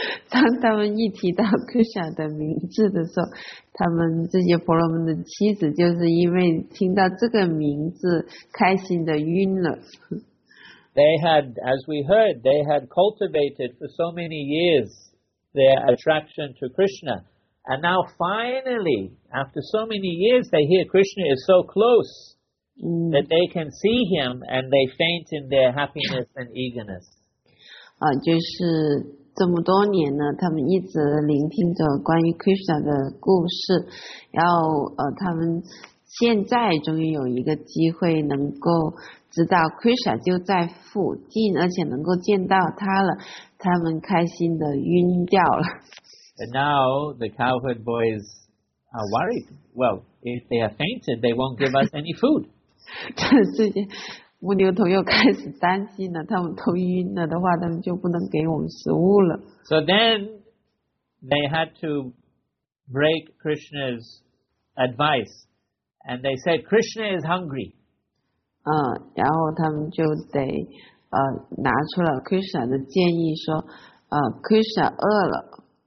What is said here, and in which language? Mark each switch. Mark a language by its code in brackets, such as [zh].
[zh] 当他们一提到 Krishna 的名字的时候，他们这些婆罗门的妻子就是因为听到这个名字开心的晕了。 [en] They had, as we heard, they had cultivated for so many years their attraction to Krishna, and now finally, after so many years, they hear Krishna is so close that they can see him, and they faint in their happiness and eagerness. [zh] 就是这么多年呢，他们一直聆听着关于 Krishna 的故事，然后他们现在终于有一个机会能够知道 Krishna 就在附近，而且能够见到他了，他们开心的晕掉了。 [en] And now the cowherd boys are worried. Well, if they are fainted, they won't give us any food. [zh] 这事情。牧牛童又开始担心了，他们头晕了的话，他们就不能给我们食物了。 [en] So then they had to break Krishna's advice, and they said Krishna is hungry. [zh] 然后他们就得拿出了 Krishna 的建议，说Krishna 饿了。